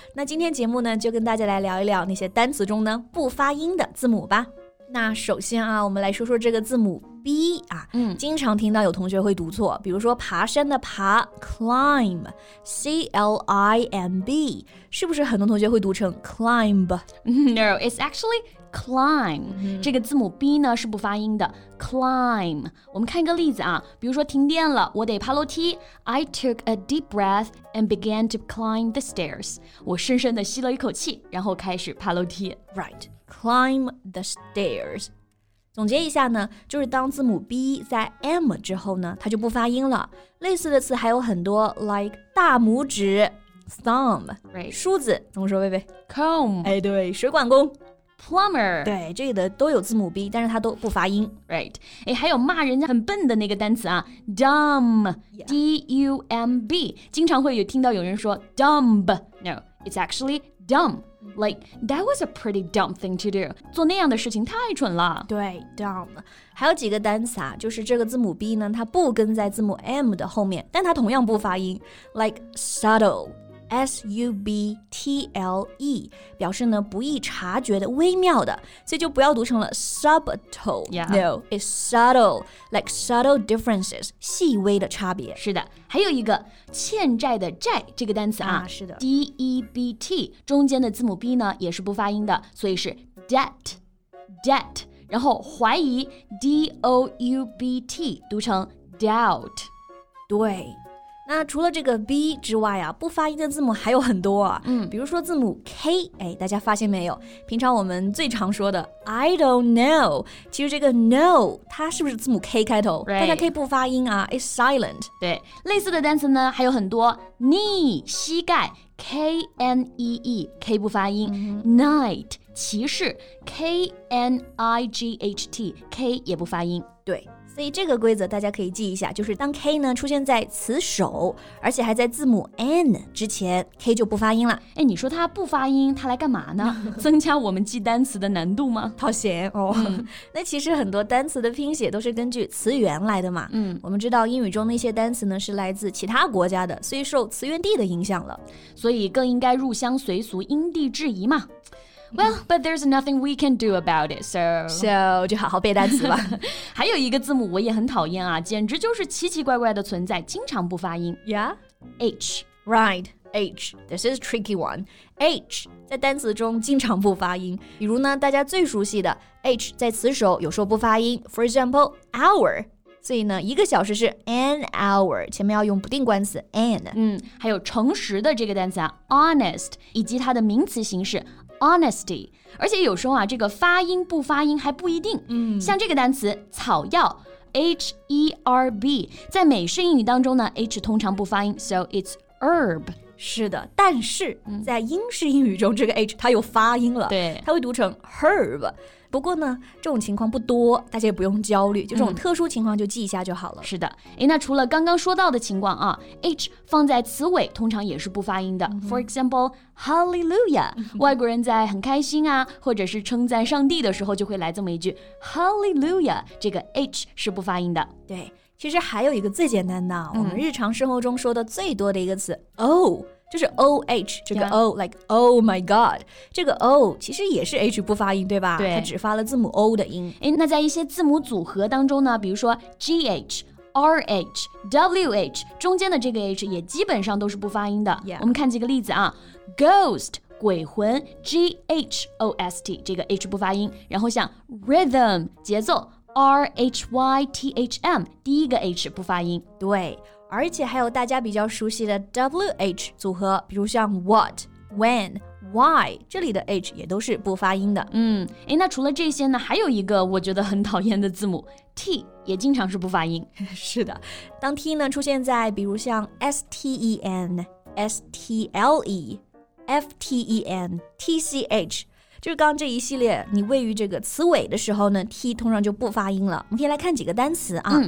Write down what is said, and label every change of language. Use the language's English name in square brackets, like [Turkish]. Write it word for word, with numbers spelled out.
[Chinese] 那今天节目呢就跟大家来聊一聊那些单词中呢不发音的字母吧。那首先啊我们来说说这个字母 B 啊、嗯、经常听到有同学会读错，比如说爬山的爬 climb C L I M B 是不是很多同学会读成 climb？ [English] No, it's actually climb、 [Chinese] 嗯、这个字母 B 呢是不发音的 climb。我们看一个例子啊，比如说停电了我得爬楼梯， [English] I took a deep breath and began to climb the stairs。 [Chinese] 我深深地吸了一口气然后开始爬楼梯。 [English] Right，Climb the stairs。 [Chinese] 总结一下呢，就是当字母 B 在 M 之后呢它就不发音了。类似的词还有很多 like 大拇指 thumb、 [English] right. [Chinese] 梳子怎么说贝贝？ [English] comb、 [Chinese] 哎、对，水管工 [English] plumber， [Chinese] 对，这里的都有字母 B 但是它都不发音。 Right， 哎，还有骂人家很笨的那个单词啊 dumb、yeah. D U M B， 经常会有听到有人说 dumb。 [English] No, it's actually dumb，Like, that was a pretty dumb thing to do. [Chinese] 做那样的事情太蠢了。对 dumb。还有几个单词啊，就是这个字母 B 呢它不跟在字母 M 的后面，但它同样不发音。 Like subtle S U B T L E 表示呢不易察觉的，微妙的，所以就不要读成了 subtle、 [English] yeah. No, it's subtle. Like subtle differences [Chinese] 细微的差别。是的，还有一个欠债的债这个单词啊，啊是的 D E B T 中间的字母 B 呢也是不发音的，所以是 debt debt。然后怀疑 D O U B T 读成 doubt。对，那除了这个 B 之外啊，不发音的字母还有很多啊。嗯，比如说字母 K， 哎，大家发现没有？平常我们最常说的 [English] I don't know， [Chinese] 其实这个 no 它是不是字母 K 开头？ [English] Right. [Chinese] 但它 K 不发音啊 ， [English] it's silent。 [Chinese] 对，类似的单词呢还有很多 knee 膝盖 K N E E K 不发音、mm-hmm. Night 骑士 K N I G H T K 也不发音。对。所以这个规则大家可以记一下，就是当 K 呢出现在词首，而且还在字母 N 之前 K 就不发音了。哎，你说它不发音它来干嘛呢？增加我们记单词的难度吗？讨嫌哦、嗯。那其实很多单词的拼写都是根据词源来的嘛。嗯，我们知道英语中的一些单词呢是来自其他国家的，所以受词源地的影响了，所以更应该入乡随俗，因地制宜嘛。 [English] Well, but there's nothing we can do about it, so... [Chinese] So, 就好好背单词吧。还有一个字母我也很讨厌啊，简直就是奇奇怪怪的存在，经常不发音。 [English] Yeah? H. Right. H. This is a tricky one. [Chinese] H 在单词中经常不发音，比如呢，大家最熟悉的 H 在词首有时候不发音。 [English] For example, hour. [Chinese] 所以呢，一个小时是 an hour， 前面要用不定冠词 an。嗯，还有诚实的这个单词啊 ，honest， 以及它的名词形式 honesty。而且有时候啊，这个发音不发音还不一定。嗯，像这个单词草药。 H E R B 在美式英语当中呢 H 通常不发音 [English] So it's herb [Chinese] 是的但是、嗯、在英式英语中这个 H 它有发音了对它会读成 herb 不过呢这种情况不多大家也不用焦虑就这种特殊情况就记一下就好了、嗯、是的那除了刚刚说到的情况啊 H 放在词尾通常也是不发音的、嗯、For example Hallelujah 外国人在很开心啊或者是称赞上帝的时候就会来这么一句 Hallelujah 这个 H 是不发音的对其实还有一个最简单的、嗯、我们日常生活中说的最多的一个词 Oh 就是 O H 这个 O、yeah. like [English] Oh my God [Chinese] 这个 O 其实也是 H 不发音对吧对它只发了字母 O 的音那在一些字母组合当中呢比如说 G H R H, W H 中间的这个 H 也基本上都是不发音的、 [English] yeah. [Chinese] 我们看几个例子啊 Ghost 鬼魂 G H O S T 这个 H 不发音然后像 Rhythm 节奏R H Y T H M 第一个 H 不发音对而且还有大家比较熟悉的 W H 组合比如像 What, When, Why 这里的 H 也都是不发音的嗯，那除了这些呢还有一个我觉得很讨厌的字母 T 也经常是不发音是的当 T 呢出现在比如像 S T E N S T L E F T E N T C H就是刚刚这一系列你位于这个词尾的时候呢 T 通常就不发音了我们可以来看几个单词啊。